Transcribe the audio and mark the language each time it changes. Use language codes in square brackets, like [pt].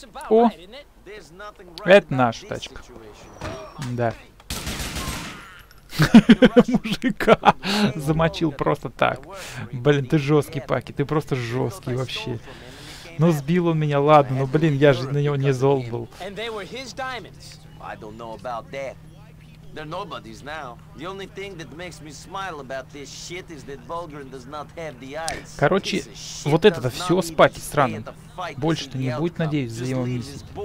[ru] О, это наша тачка. Да. Мужика замочил просто так. Блин, ты жесткий, Паки, ты просто жесткий вообще. Ну, сбил он меня, ладно, но, блин, я же на него не зол был. [en] I don't know about that. They're nobody's now. The only thing that makes me smile about this shit is that Volgren does not have the eyes. [ru] Короче, вот это все спать странно. Больше-то не будет, надеюсь, за его миссию.